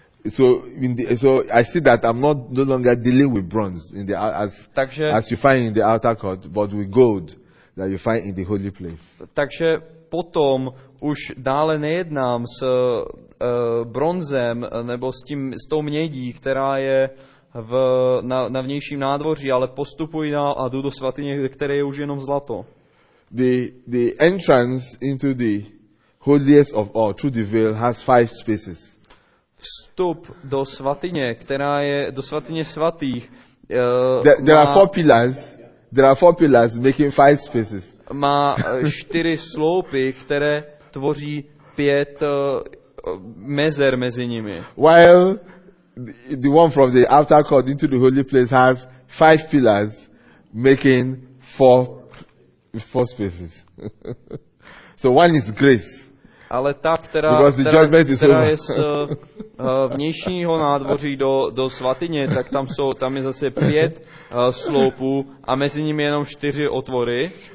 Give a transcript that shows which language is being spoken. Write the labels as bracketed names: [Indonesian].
[English] So I see that I'm not no longer dealing with bronze in the as you find in the altar court, but with gold that you find in the holy place. [Czech] Takže potom už dále nejednám s bronzem nebo s tou mědí, která je na vnějším nádvoří, ale postupuji dál a jdu do svatyně, které je už jenom zlato. [English] The entrance into the holiest of all through the veil has five spaces. [Czech] Vstup do svatyně, která je do svatyně svatých. [English] There are four pillars making five spaces. [Czech] Má čtyři sloupy, které tvoří pět mezer mezi nimi. [English] While the one from the altar court into the holy place has five pillars making four spaces. So one is grace. [Czech] Ale ta, která je z vnějšího nádvoří do svatyně, tak tam je zase pět sloupů a mezi nimi jenom čtyři otvory.